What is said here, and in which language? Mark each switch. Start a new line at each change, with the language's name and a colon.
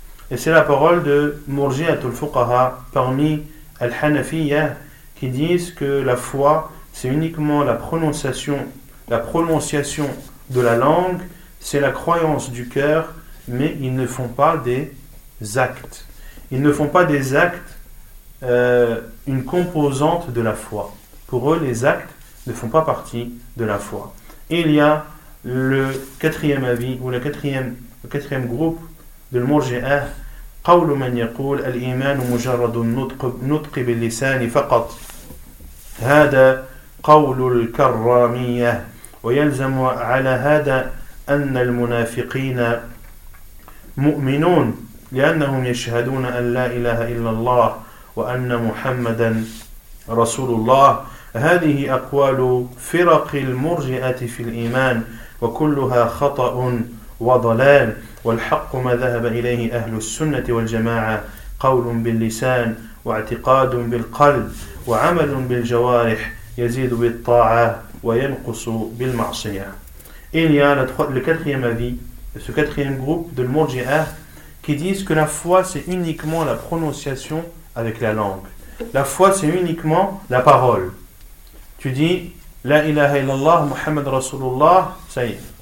French: Et c'est la parole de Murji'atul Fuqaha parmi Al-Hanafiyya qui disent que la foi c'est uniquement la prononciation de la langue, c'est la croyance du cœur, mais ils ne font pas des actes. Ils ne font pas des actes une composante de la foi. Pour eux, les actes ne font pas partie de la foi. Et il y a le quatrième avis ou le quatrième groupe de l'Murji'a,
Arabic: قول من يقول الإيمان مجرد نطق باللسان فقط، هذا قول الكرامية، ويلزم على هذا أن المنافقين مؤمنون لأنهم يشهدون أن لا إله إلا الله وأن محمدا رسول الله. هذه أقوال فرق المرجئة في الإيمان وكلها خطأ وضلال، والحق ما ذهب إليه أهل السنة والجماعة، قول باللسان واعتقاد بالقلب وعمل بالجوارح يزيد بالطاعة وينقص بالمعصية.
French: Il y a le quatrième avis, ce quatrième groupe de Murji'a qui disent que la foi c'est uniquement la prononciation avec la langue. La foi c'est uniquement la parole. Tu dis
Arabic: La ilaha illallah, Muhammad Rasulullah,
French: ça y est.